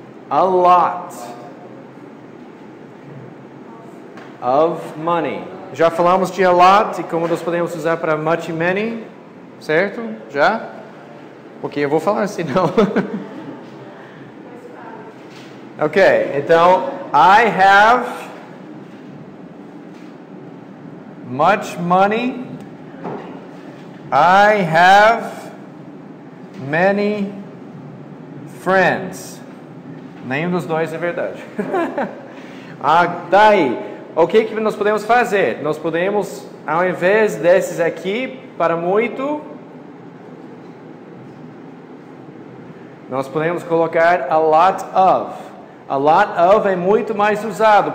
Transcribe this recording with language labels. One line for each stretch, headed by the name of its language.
English: A lot of money.
Portuguese: Já falamos de a lot e como nós podemos usar para much e many. Certo? Já? Porque eu vou falar assim, não.
English: Ok, então, I have much money, I have many friends.
Portuguese: Nenhum dos dois é verdade. Daí, o que que nós podemos fazer? Nós podemos, ao invés desses aqui, para muito... Nós podemos colocar a lot of. A lot of é muito mais usado.